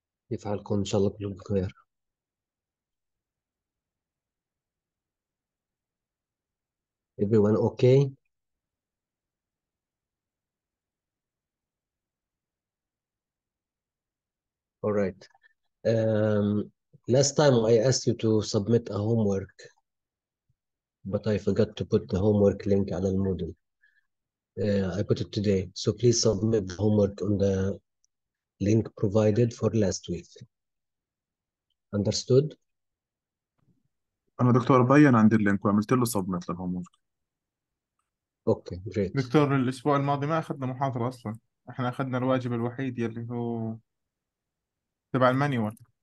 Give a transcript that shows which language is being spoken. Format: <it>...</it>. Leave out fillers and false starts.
<ar>كيف حالكم؟ إن شاء الله كله بخير.</ar> <en>Everyone okay؟ All right. Last time I asked you to submit a homework, but I forgot to put the homework link on the Moodle. I put it today. So please submit the homework on the link provided for last week. Understood?</en> <ar>انا دكتور بيان، عندي اللينك وعملت له سبميت للهوم.</ar> <en>Okay, great.</en> <ar>دكتور، الاسبوع الماضي ما اخذنا محاضرة اصلا، احنا اخذنا الواجب الوحيد يلي هو تبع المانيوال.</ar>